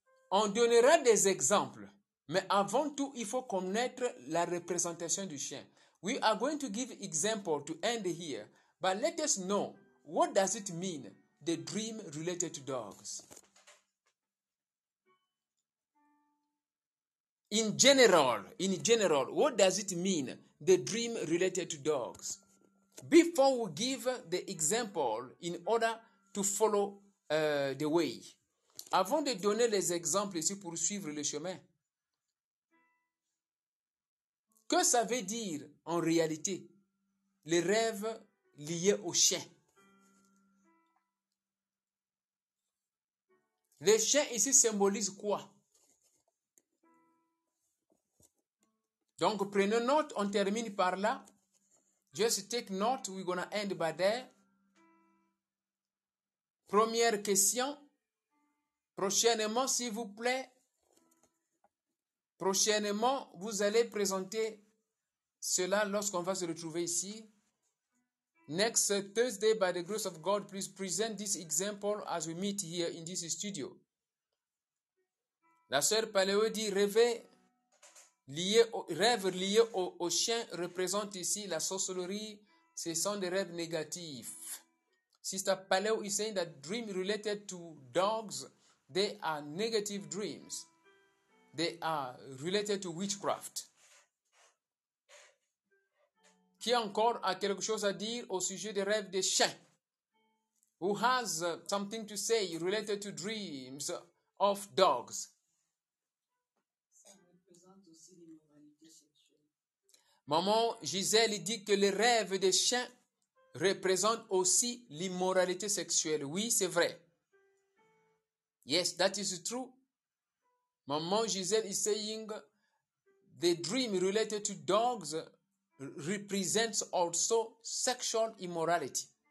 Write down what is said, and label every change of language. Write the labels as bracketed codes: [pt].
[fr] On donnera des exemples. Mais avant tout, il faut connaître la représentation du chien. [en] We are going to give example to end here. But let us know, what does it mean, the dream related to dogs? In general, what does it mean, the dream related to dogs? Before we give the example in order to follow the way, [fr] avant de donner les exemples ici pour suivre le chemin, que ça veut dire en réalité les rêves lié au chien. Le chien ici symbolise quoi? Donc prenez note, on termine par là. [en] Just take note, we're gonna end by there. [fr] Première question. Prochainement, vous allez présenter cela lorsqu'on va se retrouver ici. [en] Next Thursday, by the grace of God, please present this example as we meet here in this studio. [fr] La sœur Paléo dit, rêve lié au chien représente ici la sorcellerie, ce sont des rêves négatifs. [en] Sister Paléo is saying that dream related to dogs They are negative dreams. They are related to witchcraft. [fr] Qui encore a quelque chose à dire au sujet des rêves des chiens? [en] Who has something to say related to dreams of dogs? [fr] Maman Gisèle dit que les rêves des chiens représentent aussi l'immoralité sexuelle. Oui, c'est vrai. [en] Yes, that is true. Maman Gisèle is saying the dream related to dogs represents also sexual immorality.